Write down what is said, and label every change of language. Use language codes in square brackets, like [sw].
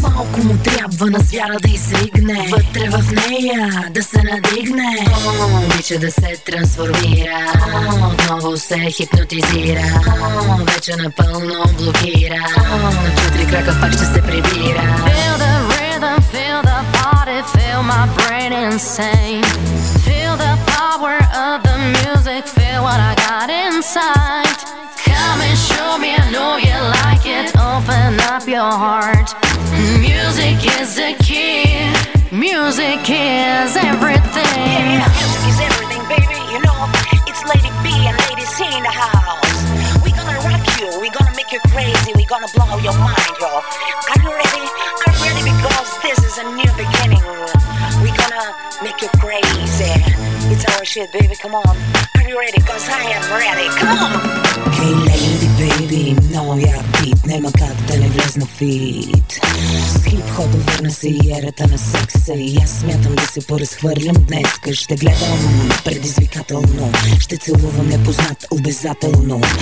[bg] Малко му трябва на звяра да изриг. Вътре в нея да се надигне. Обича да се трансформира. Отново се хипнотизира. Вече напълно блокира. На четири крака пак ще се прибира. [en] Feel the rhythm, feel the body, feel my brain insane. Feel the power of the music, feel what I got inside. Come and show me, I know you like it. Open up your heart. Music is the key. Music is everything. Yeah, music is everything, baby, you know. It's Lady B and Lady C in the house. We gonna rock you, we gonna make you crazy. We gonna blow your mind, y'all. Are you ready? Are you ready? Because this is a new beginning. We gonna make you crazy. It's our show. shit, baby, come on. Are you ready? Cause I am ready. Come on! Hey lady, baby, [bg] много я бит, няма как да не влезна в фит. С хип-хопа върна се и ерата на секса. И аз смятам да се поразхвърлям днеска. Ще гледам предизвикателно, ще целувам непознат обезателно.